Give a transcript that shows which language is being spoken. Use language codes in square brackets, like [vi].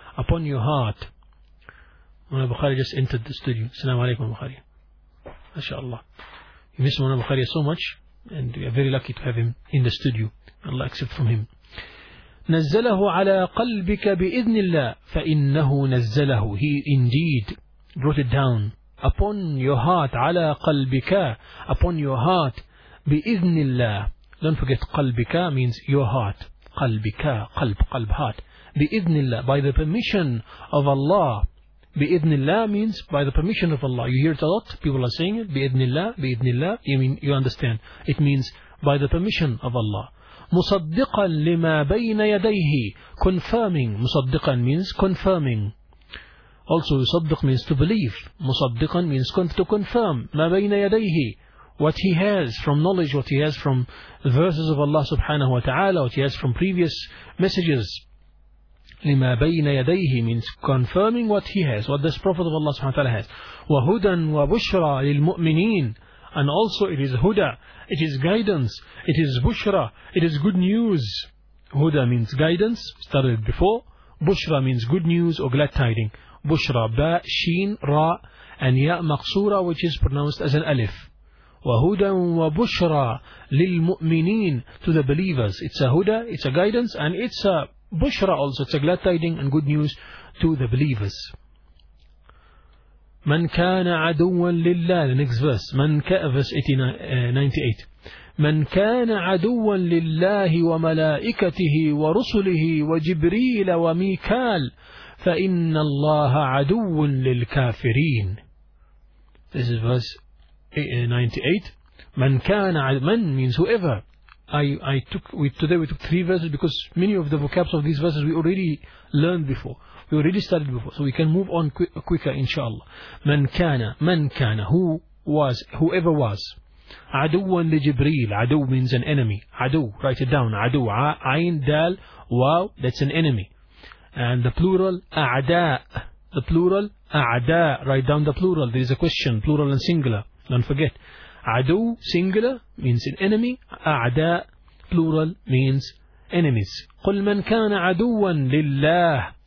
[en] upon your heart. Mawlana Bukhari just entered the studio. Assalamu alaikum, Bukhari. MashaAllah. You miss Mawlana Bukhari so much, and we are very lucky to have him in the studio. Allah accept from him. [ar] نزله على قلبك بإذن الله فإنه نزله. [en] He indeed wrote it down upon your heart. [ar] على قلبك, [en] upon your heart, [ar] بإذن الله. [en] Don't forget قلبك means your heart. [ar] قلبك, قلب, قلب, heart. بإذن الله, [en] by the permission of Allah. بإذن الله means by the permission of Allah. You hear it a lot, people are saying it. [ar] بإذن الله, بإذن الله, [en] you mean, you understand. It means by the permission of Allah. [ar] مصدقا لما بين يديه, [en] confirming. مصدقا means confirming. Also يصدق means to believe. مصدقا means to confirm. [ar] ما بين يديه, [en] what he has from knowledge, what he has from verses of Allah subhanahu wa ta'ala, what he has from previous messages. [ar] لما بين يديه [en] means confirming what he has, what this Prophet of Allah subhanahu wa ta'ala has. [ar] وهدى وبشرى للمؤمنين. [en] And also it is huda, it is guidance, it is bushra, it is good news. Huda means guidance, started before. Bushra means good news or glad tiding. Bushra, ba, sheen, ra, and ya, maqsura, which is pronounced as an alif. [ar] Wahuda wa bushra lilmu'mineen, [en] to the believers. It's a huda, it's a guidance, and it's a bushra also. It's a glad tiding and good news to the believers. [ar] من كان عدوا لله, [en] the next verse, [ar] من ك, [en] verse 98. [ar] من كان عدوا لله وملائكته ورسله وجبريل وميكال فإن الله عدو للكافرين. [en] This is verse 98. [ar] من كان عدو, [en] من means whoever. We took three verses because many of the vocabs of these verses we already learned before. We already studied before, so we can move on quicker, inshallah. [ar] من كان, من كان, [en] who was, whoever was. [ar] عدو لجبريل, [en] عدو means an enemy. عدو, write it down. [ar] عدو, عين, دال, واو, [en] that's an enemy. And the plural, أعداء. The plural, أعداء. Write down the plural. There is a question, plural and singular. Don't forget. عدو, singular, means an enemy. أعداء, plural, means enemies. [ar] قل من كان عدوا لله.